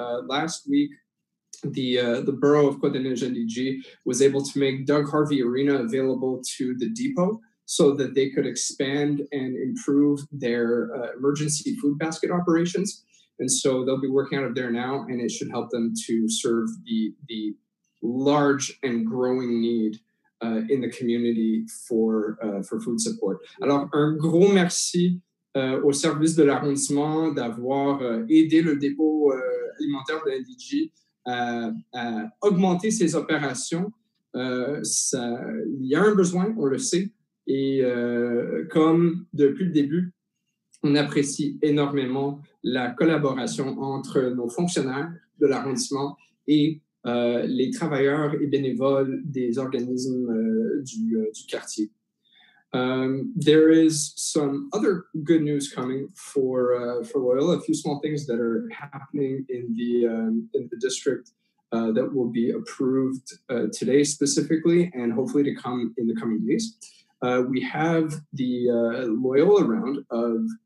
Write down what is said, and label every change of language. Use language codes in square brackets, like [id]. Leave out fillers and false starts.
[en] Last week, the borough of Côte-des-Neiges-Indigie was able to make Doug Harvey Arena available to the depot so that they could expand and improve their emergency food basket operations. And so they'll be working out of there now, and it should help them to serve the large and growing need in the community for food support. [fr] Alors, un gros merci au service de l'arrondissement d'avoir aidé le dépôt alimentaire de l'IDG à augmenter ses opérations. Il y a un besoin, on le sait, et comme depuis le début, on apprécie énormément la collaboration entre nos fonctionnaires de l'arrondissement et les travailleurs et bénévoles des organismes du quartier. [en] There is some other good news coming for Loyola. A few small things that are happening in the district that will be approved today specifically, and hopefully to come in the coming days. We have the Loyola round of